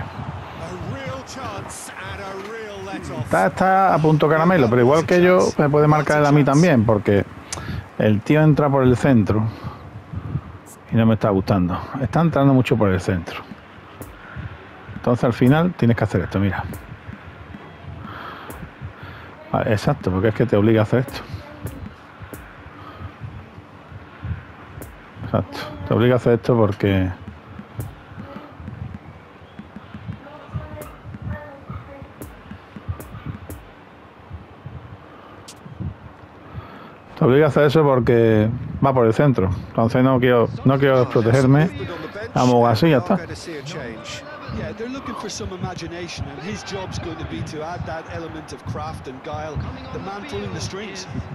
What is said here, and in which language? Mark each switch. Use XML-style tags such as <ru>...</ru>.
<en>A real chance and a real let off.</en> <es>Está a punto caramelo, pero igual que yo me puede marcar él a mí también, porque el tío entra por el centro. Y no me está gustando. Está entrando mucho por el centro. Entonces al final tienes que hacer esto, mira. Vale, exacto, porque es que te obliga a hacer esto. Exacto. Te obliga a hacer esto porque... Te obliga a hacer eso porque va por el centro. Entonces no quiero, no quiero protegerme. Vamos así, ya está.</es> <en>Yeah, they're looking for some imagination and his job's going to be to add that element of craft and guile, the man pulling the strings.</en>